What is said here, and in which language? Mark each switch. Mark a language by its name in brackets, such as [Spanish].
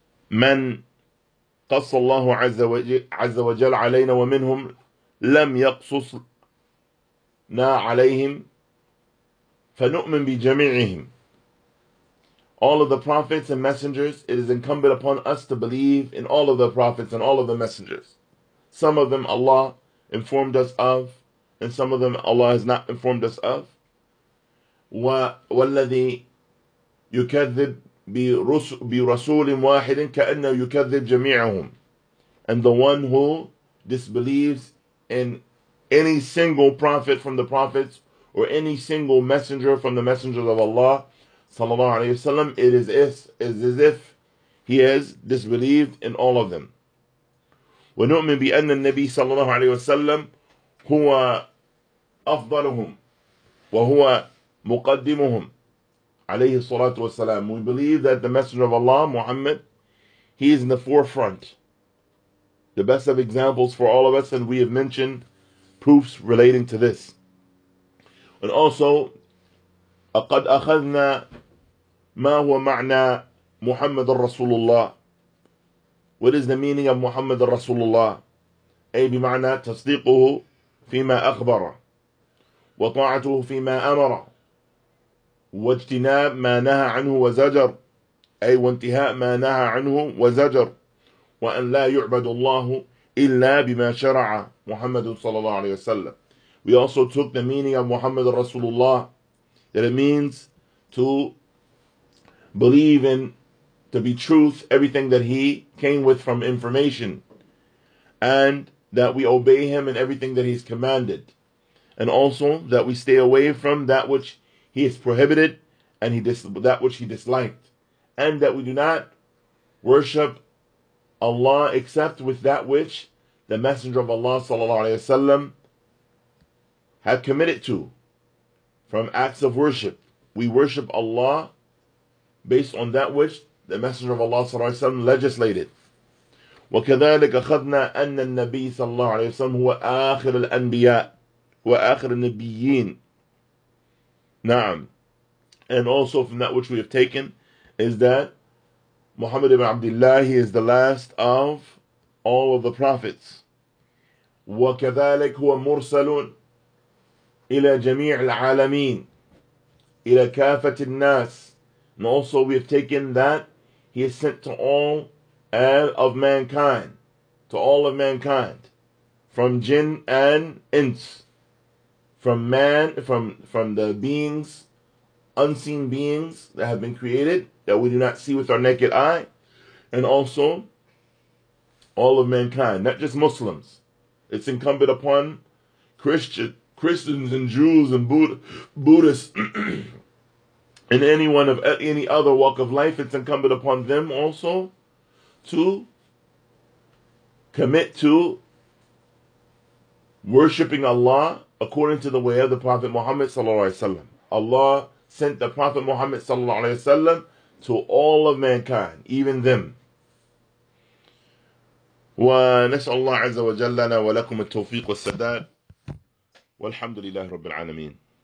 [Arabic] من قص الله عز وجل علينا ومنهم لم يقصصنا عليهم فَنُؤْمِن بِجَمِيعِهِمْ. [English] All of the prophets and messengers, it is incumbent upon us to believe in all of the prophets and all of the messengers. Some of them Allah informed us of, and some of them Allah has not informed us of. [Arabic] وَالَّذِي يُكَذِّب بِرَسُولٍ وَاحِدٍ كَأَنَّ يُكَذِّب جَمِيعَهُمْ. [English] And the one who disbelieves in any single prophet from the prophets, or any single messenger from the messengers of Allah sallallahu alayhi wa sallam, it is as if he has disbelieved in all of them. [Arabic] وَنُؤْمِن بِأَنَّ النَّبِيَ sallallahu alayhi wa sallam هُوَ أَفْضَلُهُمْ وَهُوَ مُقَدِّمُهُمْ عَلَيْهِ الصَّلَاةُ وَالسَّلَامُ. [English] We believe that the messenger of Allah, Muhammad, he is in the forefront. The best of examples for all of us, and we have mentioned proofs relating to this. And also, [Arabic] أَقَدْ أَخَذْنَا مَا هُوَ مَعْنَى مُحَمَّدَ الرَّسُولُ اللَّهِ. [English] What is the meaning of Muhammad [Arabic] الرَّسُولُ اللَّهِ؟ أي بمعنى تصديقه فيما أخبر وطاعته فيما أمر واجتناب ما نهى عنه وزجر أي وانتهاء ما نهى عنه وزجر وأن لا يعبد الله إلا بما شرع محمد صلى الله عليه وسلم. [English] We also took the meaning of Muhammad Rasulullah, that it means to believe in, to be truth, everything that he came with from information, and that we obey him in everything that he's commanded, and also that we stay away from that which he has prohibited and that which he disliked, and that we do not worship Allah except with that which the Messenger of Allah sallallahu alayhi wa sallam have committed to from acts of worship. We worship Allah based on that which the Messenger of Allah sallallahu alayhi wa sallam legislated. [Arabic] وكذلك أخذنا أن النبي صلى الله عليه وسلم هو آخر الأنبياء هو آخر النبيين. نعم. [English] And also from that which we have taken is that Muhammad ibn Abdullah, he is the last of all of the prophets. [Arabic] وكذلك هو مرسل إلى جميع العالمين إلى كافة الناس. [English] And also we have taken that he is sent to all of mankind, to all of mankind, from jinn and ins, from man, from the beings, unseen beings that have been created that we do not see with our naked eye, and also all of mankind, not just Muslims. It's incumbent upon Christians and Jews and Buddhists and anyone of any other walk of life, it's incumbent upon them also to commit to worshipping Allah according to the way of the Prophet Muhammad sallallahu alaihi wasallam. Allah sent the Prophet Muhammad sallallahu alaihi wasallam to all of mankind, even them. [Arabic] ونسأل الله عز وجل لنا ولكم التوفيق والسداد والحمد لله رب العالمين.